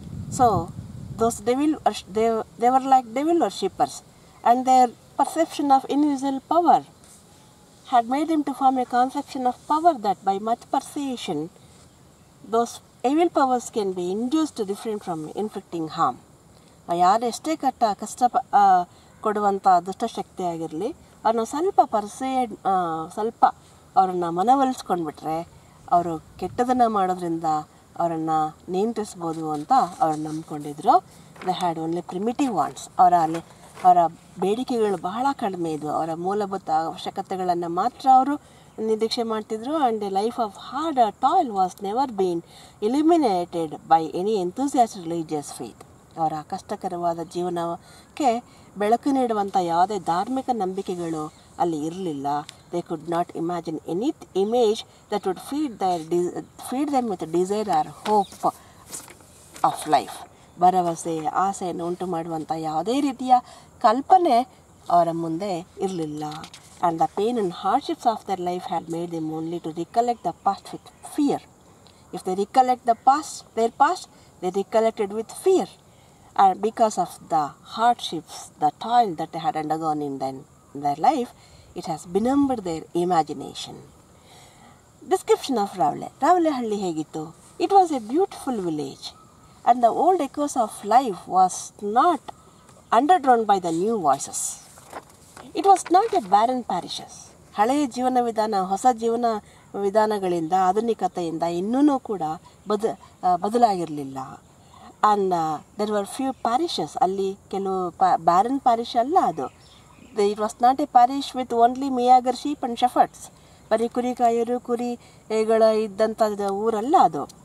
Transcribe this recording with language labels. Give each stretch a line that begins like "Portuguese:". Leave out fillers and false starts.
English: So those they were like devil worshippers, and their perception of invisible power had made them to form a conception of power that by much persuasion those evil powers can be induced to refrain from inflicting harm.
Kannada: Yare este katta kashta ಕೊಡುವಂಥ ದುಷ್ಟಶಕ್ತಿಯಾಗಿರಲಿ, ಅವ್ರನ್ನ ಸ್ವಲ್ಪ ಪರ್ಸೇಡ್ ಸ್ವಲ್ಪ ಅವ್ರನ್ನ ಮನವೊಲಿಸ್ಕೊಂಡ್ಬಿಟ್ರೆ ಅವರು ಕೆಟ್ಟದನ್ನು ಮಾಡೋದ್ರಿಂದ ಅವರನ್ನು ನಿಯಂತ್ರಿಸ್ಬೋದು ಅಂತ ಅವ್ರು ನಂಬಿಕೊಂಡಿದ್ರು.
English: they had only primitive wants,
Kannada: ಅವರ ಬೇಡಿಕೆಗಳು ಬಹಳ ಕಡಿಮೆ ಇದ್ವು. ಅವರ ಮೂಲಭೂತ ಅವಶ್ಯಕತೆಗಳನ್ನು ಮಾತ್ರ ಅವರು ನಿರೀಕ್ಷೆ ಮಾಡ್ತಿದ್ರು.
English: And a life of hard toil was never been eliminated by any enthusiast religious faith.
Kannada: ಅವರ ಕಷ್ಟಕರವಾದ ಜೀವನಕ್ಕೆ ಬೆಳಕು ನೀಡುವಂಥ ಯಾವುದೇ ಧಾರ್ಮಿಕ ನಂಬಿಕೆಗಳು ಅಲ್ಲಿ ಇರಲಿಲ್ಲ.
English: They could not imagine any image that would feed them with desire or hope of life.
Kannada: ಭರವಸೆ ಆಸೆಯನ್ನು ಉಂಟು ಮಾಡುವಂಥ ಯಾವುದೇ ರೀತಿಯ ಕಲ್ಪನೆ ಅವರ ಮುಂದೆ ಇರಲಿಲ್ಲ.
English: And the pain and hardships of their life had made them only to recollect the past with fear. If they recollect the past their past they recollected with fear and because of the hardships, the toil that they had undergone in their life, it has benumbed their imagination. Description of Ravale. Ravale
Kannada: Halli Hegitu.
English: It was a beautiful village, and the old echoes of life was not underdrawn by the new voices. It was not a barren parishes.
Kannada: ಹಳೆಯ ಜೀವನ ವಿಧಾನ ಹೊಸ ಜೀವನ ವಿಧಾನಗಳಿಂದ ಆಧುನಿಕತೆಯಿಂದ ಇನ್ನೂ ಕೂಡ ಬದಲಾಗಿರಲಿಲ್ಲ.
English: And there were few parishes.
Kannada: Alli kelu barren parish alla adu.
English: It was not a parish with only meagre sheep and shepherds.
Kannada: Bari kuri kayaru kuri egala iddantada ooralla adu.